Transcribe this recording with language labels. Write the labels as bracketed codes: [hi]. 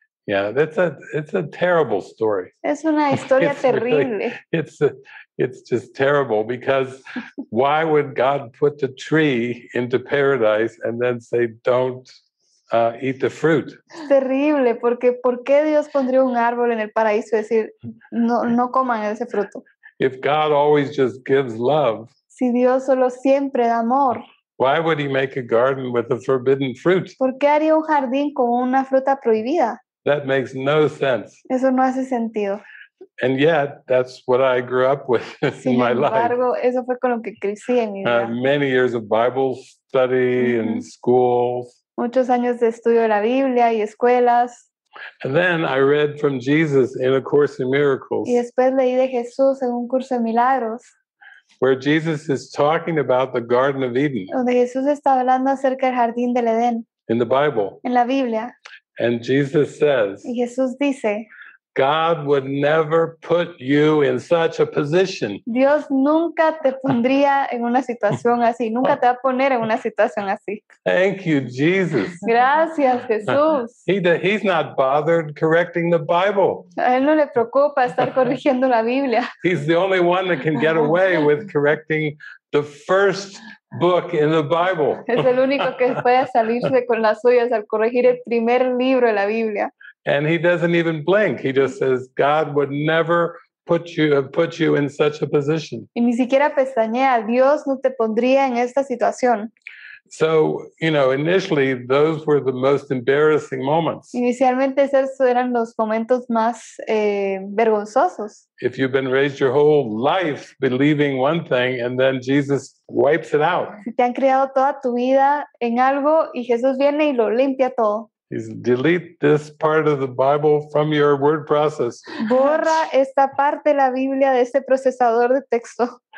[en] Yeah, it's a terrible story. [es] Es una historia [en] it's terrible. Really, it's just terrible because why would God put the tree into paradise and then say, "Don't eat the fruit"? [es] Es terrible porque ¿por qué Dios pondría un árbol en el paraíso y decir no coman ese fruto? [en] If God always just gives love. [es] Si Dios solo siempre da amor. [en] Why would he make a garden with a forbidden fruit? [es] ¿Por qué haría un jardín con una fruta prohibida? [en] That makes no sense. [es] Eso no hace sentido. [en] And yet, that's what I grew up with in my life. [es] Sin embargo, eso fue con lo que crecí en mi vida. [en] Many years of Bible study and schools. [es] Muchos años de estudio de la Biblia y escuelas. [en] And then I read from Jesus in A Course in Miracles. [es] Y después leí de Jesús en un curso de milagros. [en] Where Jesus is talking about the Garden of Eden. [es] Donde Jesús está hablando acerca del jardín del Edén. [en] In the Bible. [es] En la Biblia. [en] And Jesus says. [es] Y Jesús dice. God would never put you in such a position. Dios nunca te pondría en una situación así. Nunca te va a poner en una situación así. [en] Thank you, Jesus. [es] Gracias, Jesús. [en] He's not bothered correcting the Bible. [es] A él no le preocupa estar corrigiendo la Biblia. [en] He's the only one that can get away with correcting the first book in the Bible. [es] Es el único que puede salirse con las suyas al corregir el primer libro de la Biblia. [en] And he doesn't even blink. He just says, "God would never put you in such a position." [es] Y ni siquiera pestañea. Dios no te pondría en esta situación. [en] So, you know, initially those were the most embarrassing moments. [es] Inicialmente esos eran los momentos más vergonzosos. [en] If you've been raised your whole life believing one thing and then Jesus wipes it out. [es] Si te han criado toda tu vida en algo y Jesús viene y lo limpia todo. [en] Is delete this part of the Bible from your word process. [es] Borra esta parte de la Biblia de este procesador de texto.